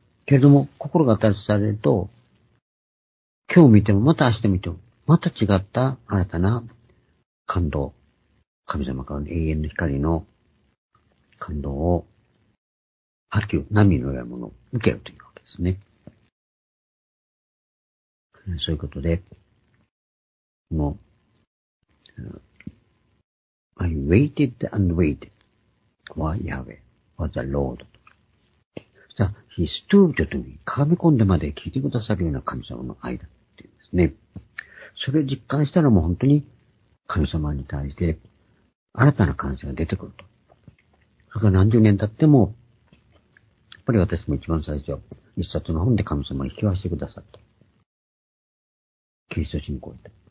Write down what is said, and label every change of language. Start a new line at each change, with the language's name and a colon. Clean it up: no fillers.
Japanese: けれども心が新しくされると、今日見てもまた明日見てもまた違った新たな感動、神様からの永遠の光の感動を波及、波のようなものを受けるというわけですね。そういうことで、この、
English: I waited and waited for Yahweh, for the Lord.
Japanese: そしたら、
English: He stooped to me,
Japanese: かがみ込んでまで聞いてくださるような神様の愛だっていうんですね。それを実感したらもう本当に、神様に対して新たな感謝が出てくると。それから何十年経っても、やっぱり私も一番最初、一冊の本で神様に引き合わせてくださった。キリスト信仰で。